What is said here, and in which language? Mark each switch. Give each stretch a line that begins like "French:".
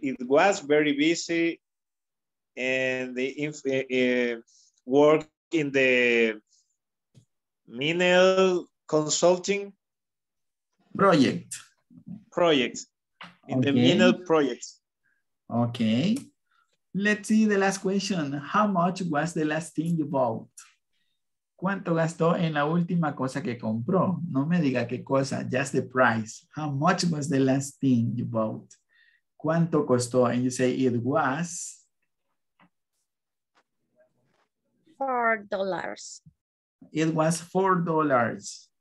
English: It was very busy, and the work in the mineral consulting project. Project in okay. The mineral project. Okay. Let's see the last question. How much was the last thing you bought?
Spanish: ¿Cuánto gastó en la última cosa que compró? No me diga qué cosa,
English: just the price. How much was the last thing you bought?
Spanish: ¿Cuánto costó?
English: And you say it was $4. It was $4.